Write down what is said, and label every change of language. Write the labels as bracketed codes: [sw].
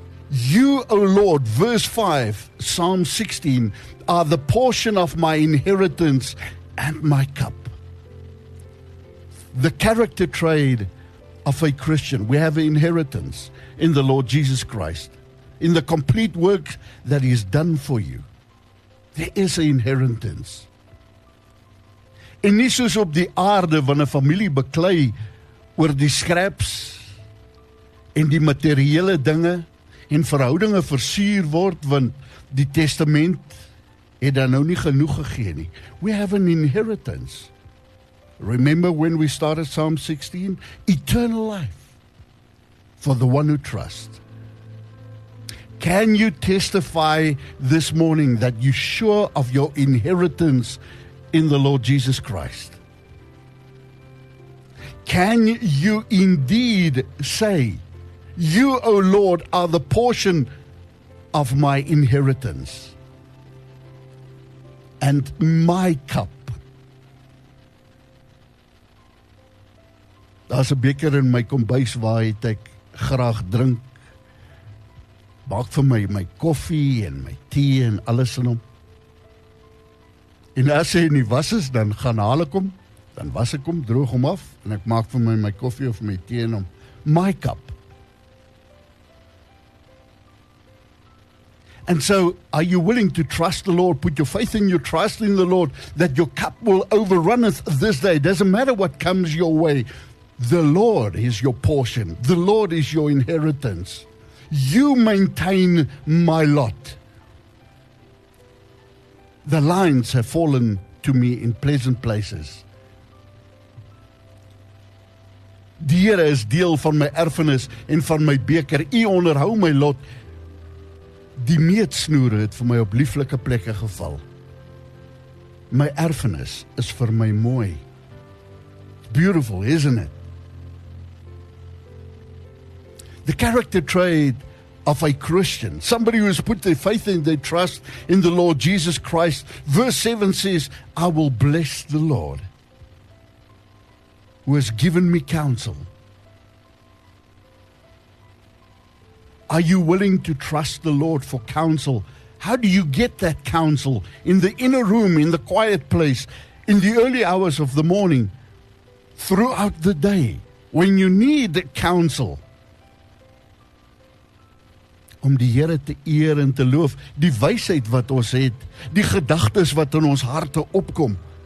[en] You, O Lord, verse 5, Psalm 16, are the portion of my inheritance and my cup. The character trait of a Christian. We have an inheritance in the Lord Jesus Christ, in the complete work that He's done for you. There is an inheritance. [af] En nie soos op die aarde wanneer familie beklei oor die skraps en die materiële dinge en verhoudinge versuur word, want die testament het dan nou nie genoeg gegee nie. [en] We have an inheritance. Remember when we started Psalm 16? Eternal life for the one who trusts. Can you testify this morning that you're sure of your inheritance in the Lord Jesus Christ? Can you indeed say, you, O Lord, are the portion of my inheritance and my cup? [af] Daar's 'n beker in my kombuis waaruit ek graag drink. Maak vir my my koffie en my tee en alles in hom. En as hy nie was is, dan gaan haal ek hom, dan was ek hom, droog hom af, en ek maak vir my koffie of my tee in hom. My cup. [en] And so, are you willing to trust the Lord, put your faith in your trust in the Lord, that your cup will overrunneth this day? Doesn't matter what comes your way. The Lord is your portion. The Lord is your inheritance. you maintain my lot. The lines have fallen to me in pleasant places. [af] Die Here is deel van my erfenis en van my beker. U onderhou my lot. Die meetsnoere het vir my op lieflike plekke geval. My erfenis is vir my mooi. It's beautiful, isn't it? [en] The character trait of a Christian, somebody who has put their faith and their trust in the Lord Jesus Christ, verse 7 says, I will bless the Lord who has given me counsel. Are you willing to trust the Lord for counsel? How do you get that counsel? In the inner room, in the quiet place, in the early hours of the morning, throughout the day, when you need the counsel. [af] Om die Here te eer en te loof, die wysheid wat ons het, die gedagtes wat in ons harte opkom.